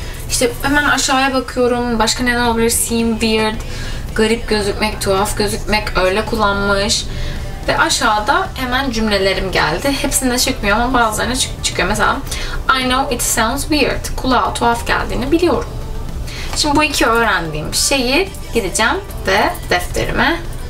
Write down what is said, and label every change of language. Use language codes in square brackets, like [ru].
[tr] İşte hemen aşağıya bakıyorum. Başka neden olabilir? [en] Seem weird. [tr] Garip gözükmek, tuhaf gözükmek. Öyle kullanmış. Ve aşağıda hemen cümlelerim geldi. Hepsinde çıkmıyor ama bazılarına çıkıyor. Mesela [en] I know it sounds weird. [tr] Kulağa tuhaf geldiğini biliyorum. Şimdi bu iki öğrendiğim şeyi gideceğim ve defterime.